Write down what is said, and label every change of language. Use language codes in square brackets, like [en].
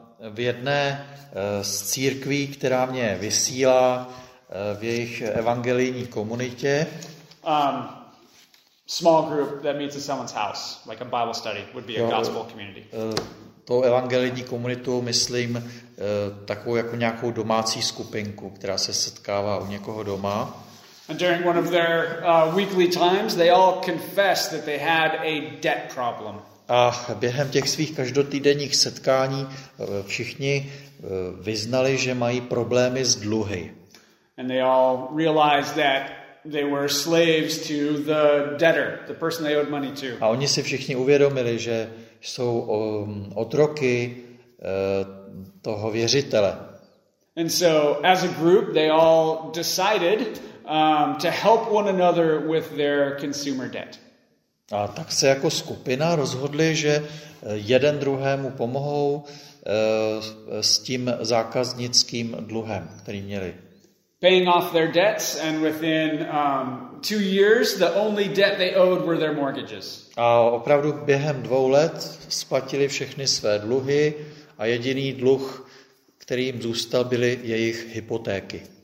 [cs] V jedné z církví, která mě vysílá v jejich evangelijní komunitě. [en] Small group that meets at someone's house, like a Bible study, would be a gospel community. [cs] To evangelijní komunitu myslím takovou jako nějakou domácí skupinku, která se setkává u někoho doma. [en] And during one of their weekly times, they all confessed that they had a debt problem. [cs] A během těch svých každotýdenních setkání všichni vyznali, že mají problémy s dluhy. [en] And they all realized that they were slaves to the debtor, the person they owed money to. [cs] A oni si všichni uvědomili, že jsou otroky toho věřitele. [en] And so as a group they all decided to help one another with their consumer debt. [cs] A tak se jako skupina rozhodli, že jeden druhému pomohou s tím zákaznickým dluhem, který měli. [en] Paying off their debts, and within 2 years the only debt they owed were their mortgages. [cs] A opravdu během 2 let splatili všechny své dluhy a jediný dluh, který jim zůstal, byly jejich hypotéky.